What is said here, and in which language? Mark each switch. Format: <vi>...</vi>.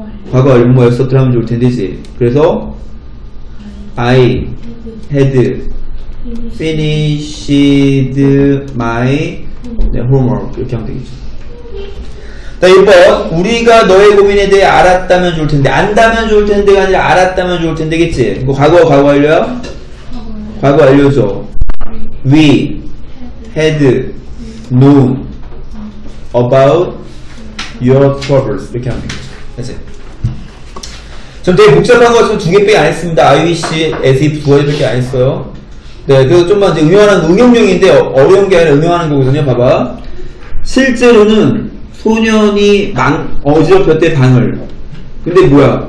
<ko>과거 완료 뭐뭐였었더라면 좋을 텐데지. 그래서</ko> <en>I had finished my 네, homework</en> <ko>이렇게 하면 되겠죠. 자, 1번. 우리가 너의 고민에 대해 알았다면 좋을 텐데. 안다면 좋을 텐데가 아니라 알았다면 좋을 텐데, 그치? 이거 과거, 과거 완료야? 과거 완료죠.</ko> <en>We had known about your troubles.</en> <ko>이렇게 하면 되겠죠. 그치? 좀 되게 복잡한 거 같으면 두 개 빼기 안 했습니다. I, we, she, as if 두 개 빼기 안 했어요. 네, 그래서 좀만 이제 응용하는, 응용형인데 어려운 게 아니라 응용하는 거거든요. 봐봐. 실제로는 소년이 망, 어지럽혔대, 방을. 근데 뭐야?</ko>